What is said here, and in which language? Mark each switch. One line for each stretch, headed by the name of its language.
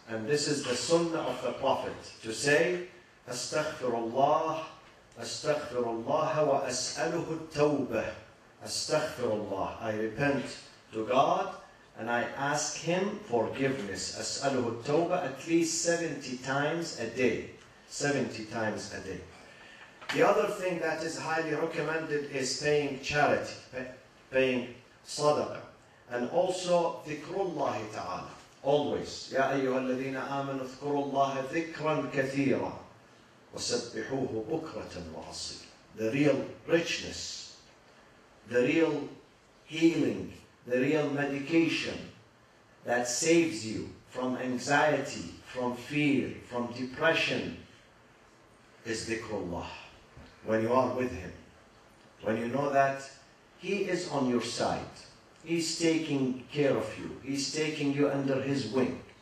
English: And this is the sunnah of the Prophet, to say, astaghfirullah,
Arabic: astaghfirullah wa as'aluhu at-tawbah,
English: astaghfirullah, I repent to God and I ask him forgiveness, as'aluhu at-tawbah, at least 70 times a day, 70 times a day. The other thing that is highly recommended is paying charity, paying sadaqah, and also dhikrullahi ta'ala. Always,
Arabic: يَا أَيُّهَا الَّذِينَ آمَنُوا اذْكُرُوا اللَّهَ ذِكْرًا كَثِيرًا وَسَبِّحُوهُ بُكْرَةً وَأَصِيلًا.
English: The real richness, the real healing, the real medication that saves you from anxiety, from fear, from depression is dhikrullah. When you are with him, when you know that he is on your side, he's taking care of you, he's taking you under his wing.